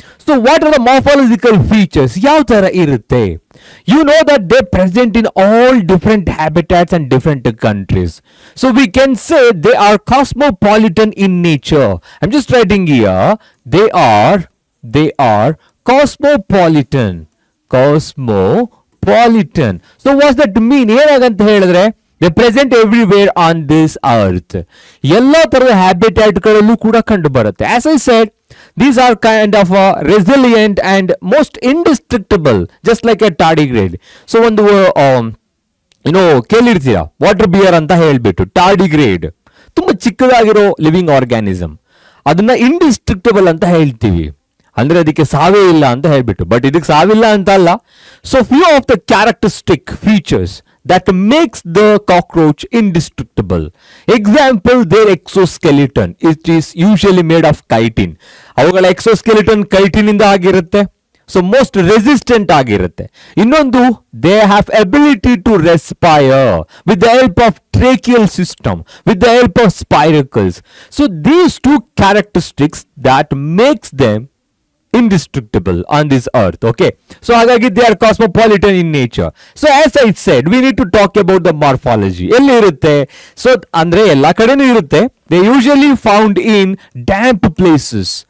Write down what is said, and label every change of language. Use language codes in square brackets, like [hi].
[en] so what are the morphological features, [kn] ಯಾವ ತರ ಇರುತ್ತೆ? [en] You know that they present in all different habitats and different countries. So we can say they are cosmopolitan in nature. I am just writing here, they are cosmopolitan. Cosmopolitan, so what's that mean? [kn] ಏನಾಗಂತ ಹೇಳಿದ್ರೆ [en] they present everywhere on this earth. [kn] Ella tarada habitat galallu kuda kandu barutte. [en] As I said, these are kind of a resilient and most indestructible, just like a tardigrade. [kn] So ondu you know kelirthira water bear anta helbitu tardigrade thumba chikkadagiro living organism adanna indestructible anta heltivi. ಅಂದ್ರೆ ಅದಕ್ಕೆ ಸಾವೇ ಇಲ್ಲ ಅಂತ ಹೇಳ್ಬಿಟ್ಟು, but ಇದಕ್ಕೆ ಸಾವಿಲ್ಲ ಅಂತ ಅಲ್ಲ. [en] So few of the characteristic features that makes the cockroach indestructible. Example, there exoskeleton it is usually made of chitin. [kn] ಅವುಗಳ ಎಕ್ಸೋಸ್ಕೆಲಿಟನ್ ಕೈಟಿನ್ ಇಂದ ಆಗಿರುತ್ತೆ. ಸೊ ಮೋಸ್ಟ್ ರೆಸಿಸ್ಟೆಂಟ್ ಆಗಿರುತ್ತೆ. [en] ಇನ್ನೊಂದು, they have ability to respire with the help of tracheal system, with the help of spiracles. So these two characteristics that makes them indestructible on this earth. Okay, so [kn] hagagi [en] they are cosmopolitan in nature. So as I said, we need to talk about the morphology. [kn] Elli irutte, so andre ella kade nu irutte. [en] They usually found in damp places.